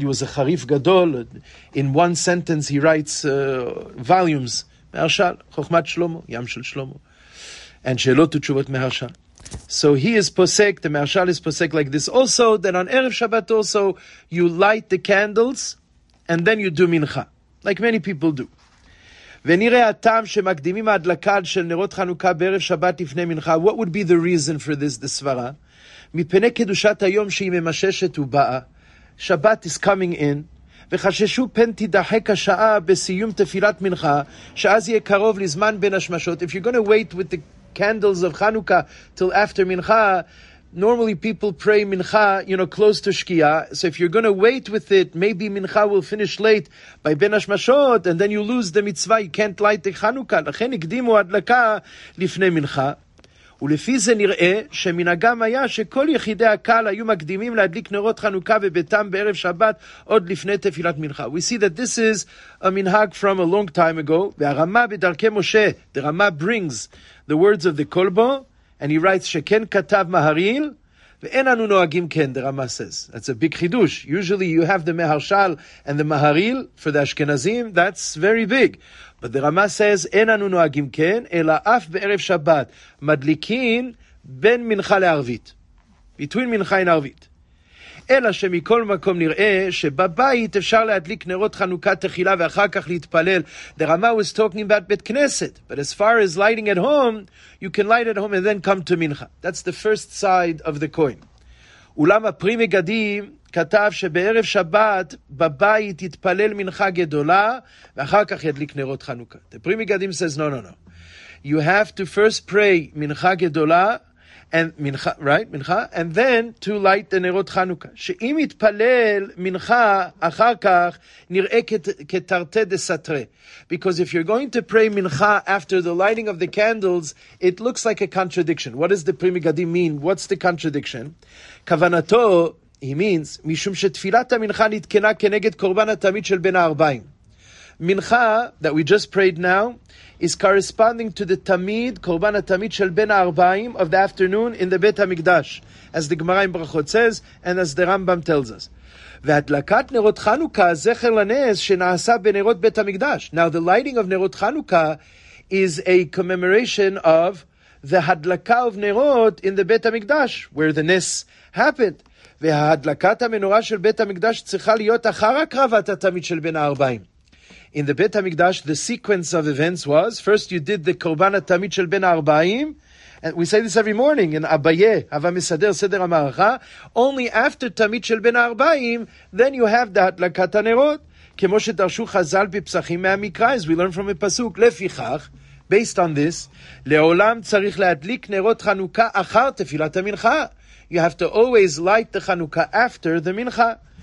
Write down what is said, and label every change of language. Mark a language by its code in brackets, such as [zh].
[en] He was a harif gadol. In one sentence, he writes volumes. Meharshal, chokhmat shlomo, yam shel shlomo, and shelot u'tshuvot meharshal. So he is posek, the Meharshal is posek like this also, that on Erev Shabbat also, you light the candles, and then you do mincha, like many people do. [he] ונראה הטעם שמקדימים ההדלקה של נרות חנוכה בערב שבת לפני מנחה. [en] What would be the reason for this, the סברה? [he] מפני קדושת היום שהיא ממששת ובאה. [en] Shabbat is coming in. [he] וחששו פן תדחק השעה בסיום תפילת מנחה, שאז יהיה קרוב לזמן בין השמשות. [en] If you're going to wait with the candles of Chanukah till after mincha, normally people pray mincha, you know, close to shkia. So if you're going to wait with it, maybe mincha will finish late by ben hashmashot, and then you lose the mitzvah. You can't light the Chanukah. [he] לכן הקדימו הדלקה לפני מincha. ולפי זה נראה שמנהגם היה שכל יחידי הקהל היו מקדימים להדליק נרות חנוכה בביתם בערב שבת עוד לפני תפילת מנחה. [en] We see that this is a minhag from a long time ago. [he] והרמה בדרכי משה, [en] the Rama brings the words of the Kolbo, and he writes [he] שכן כתב מהריל, ואין אנו נוהגים כן, [en] the Rama says. That's a big חידוש. Usually you have the מהרשל and the מהריל for the Ashkenazim. That's very big. But the Rama says, [he] אין אנו נוהגים כן, אלא אף בערב שבת, מדליקין בין מנחה לערבית. Between מנחה לערבית. אלא שמכל מקום נראה שבבית אפשר להדליק נרות חנוכה תחילה ואחר כך להתפלל. [en] The Rama was talking about בית כנסת. But as far as lighting at home, you can light at home and then come to מנחה. That's the first side of the coin. [he] אולם הפרי מגדים כתב שבערב שבת בבית יתפלל מנחה גדולה ואחר כך ידליק נרות חנוכה. [en] The Pri Megadim says, no, no, no. You have to first pray מנחה גדולה, and מנחה, right, מנחה, and then to light the נרות חנוכה. [he] שאם יתפלל מנחה אחר כך נראה כתרתי דסתרי. [en] Because if you're going to pray מנחה after the lighting of the candles, it looks like a contradiction. What does the Pri Megadim mean? What's the contradiction? [he] כוונתו, [en] he means, [he] משום שתפילת המנחה נתקנה כנגד קורבן התמיד של בין הארבעים. [en] מנחה, that we just prayed now, is corresponding to the תמיד, [he] קורבן התמיד של בין הארבעים, [en] of the afternoon in the בית המקדש, as the גמרא עם ברכות says, and as the Rambam tells us. [he] והדלקת נרות חנוכה, זכר לנס שנעשה בנרות בית המקדש. [en] Now the lighting of נרות חנוכה is a commemoration of the הדלקה of נרות in the בית המקדש, where the נס happened. [he] וההדלקת המנורה של בית המקדש צריכה להיות אחר הקרבת התמיד של בין הארבעים. [en] In the בית המקדש, the sequence of events was, first you did the קורבן התמיד של בין הארבעים, and we say this every morning, in Abaye, [he] הווה מסדר סדר המערכה, [en] only after תמיד של בין הארבעים, then you have the הדלקת הנרות, [he] כמו שדרשו חזל בפסחים מהמקרא, [en] as we learn from a פסוק, לפיכך, based on this, [he] לעולם צריך להדליק נרות חנוכה אחר תפילת המנחה, [en] you have to always light the Chanukah after the Mincha.